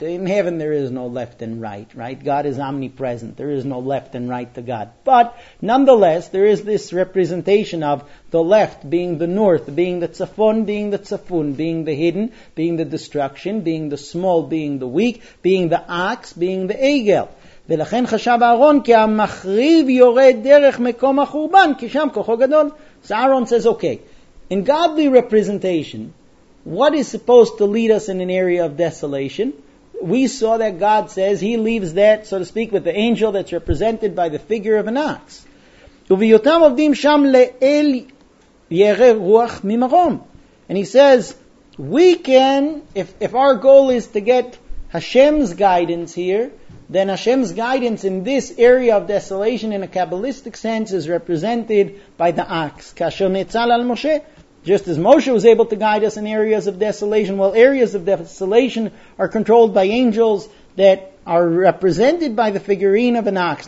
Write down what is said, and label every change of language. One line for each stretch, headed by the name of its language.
English: In heaven there is no left and right, right? God is omnipresent. There is no left and right to God. But nonetheless, there is this representation of the left being the north, being the tzafon, being the tzafun, being the hidden, being the destruction, being the small, being the weak, being the ox, being the egel.
Hebrew: ולכן חשב אהרון כי המחריב יורד דרך מקום החורבן, כי שם כוחו גדול.
English: So Aaron says, okay, in godly representation, what is supposed to lead us in an area of desolation? We saw that God says he leaves that, so to speak, with the angel that's represented by the figure of an ox.
Hebrew: וביותם עובדים שם לאל ירא רוח ממרום.
English: And he says, we can, if our goal is to get Hashem's guidance here, then Hashem's guidance in this area of desolation in a Kabbalistic sense is represented by the ox.
Hebrew: Kasher netzal al Moshe,
English: just as Moshe was able to guide us in areas of desolation, well, areas of desolation are controlled by angels that are represented by the figurine of an ox.